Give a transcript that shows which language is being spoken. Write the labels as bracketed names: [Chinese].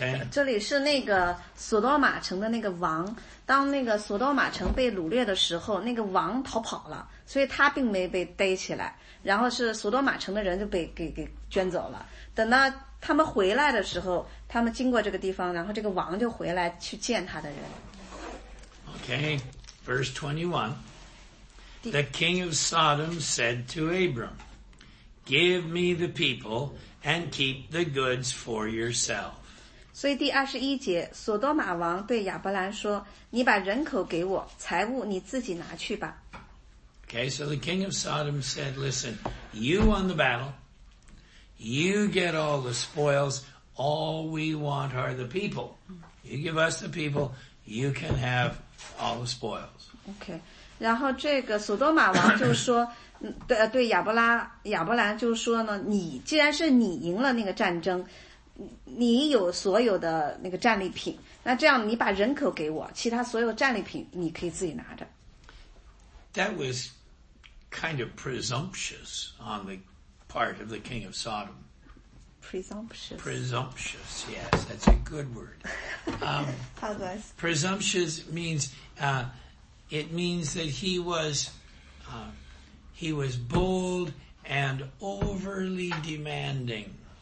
[Chinese] 这里是那个索多玛城的那个王，当那个索多玛城被掳掠的时候，那个王逃跑了，所以他并没被逮起来，然后是索多玛城的人就被给卷走了。等到他们回来的时候，他们经过这个地方，然后这个王就回来去见他的人。 [English] Okay, verse 21. The king of Sodom said to Abram, "Give me the people." And keep the goods for yourself. [Chinese] 所以第二十一节，索多玛王对亚伯兰说：“你把人口给我，财物你自己拿去吧。” [English] Okay, so the king of Sodom said, "Listen, you won the battle. You get all the spoils. All we want are the people. You give us the people, you can have all the spoils." [Chinese] Okay, 然后这个索多玛王就说。对亚伯兰就说呢，你既然是你赢了那个战争，你有所有的那个战利品，那这样你把人口给我，其他所有战利品你可以自己拿着。 [English] That was kind of presumptuous on the part of the king of Sodom. Presumptuous. Presumptuous, yes, that's a good word. How was? Presumptuous means, it means that he was, He was bold and overly demanding.